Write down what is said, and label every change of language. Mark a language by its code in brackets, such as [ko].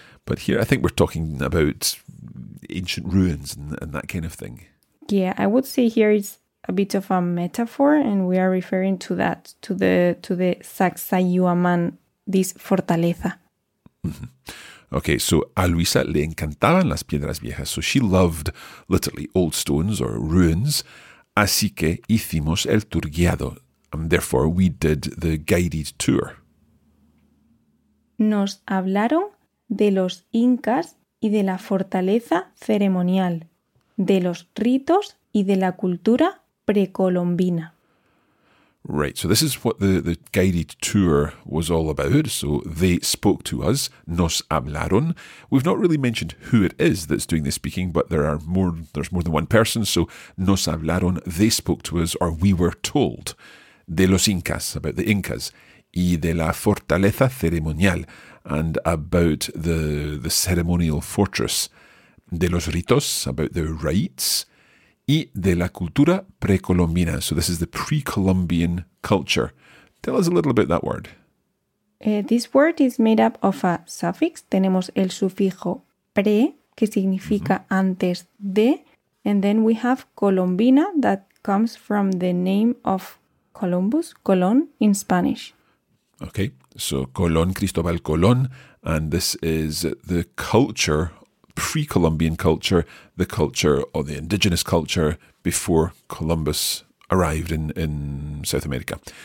[en] But here I think we're talking about ancient ruins and that kind of thing. Yeah, I would say here it's a bit of a metaphor and we are referring to that, to the Sacsayhuaman, this fortaleza. Mm-hmm. [es] Okay, so a Luisa le encantaban las piedras viejas. [en] So she loved, literally, old stones or ruins. [es] Así que hicimos el tour guiado. [en] And therefore, we did the guided tour. [es] Nos hablaron de los incas y de la fortaleza ceremonial, de los ritos y de la cultura precolombina. [en] Right, so this is what the guided tour was all about. So they spoke to us, [es] nos hablaron. [en] We've not really mentioned who it is that's doing the speaking, but there's more than one person. So [es] nos hablaron, [en] they spoke to us, or we were told, [es] de los incas, [en] about the Incas, [es] y de la fortaleza ceremonial, [en] and about the ceremonial fortress, [es] de los ritos, [en] about the rites, [es] y de la cultura precolombina. [en] So this is the pre-Columbian culture. Tell us a little about that word. This word is made up of a suffix. [es] Tenemos el sufijo pre, que significa mm-hmm. antes de. [en] And then we have colombina, that comes from the name of Columbus, Colón, in Spanish. Okay, so Colón, Cristóbal Colón. And this is the culture, pre-Columbian culture, the culture or the indigenous culture before Columbus arrived in South America.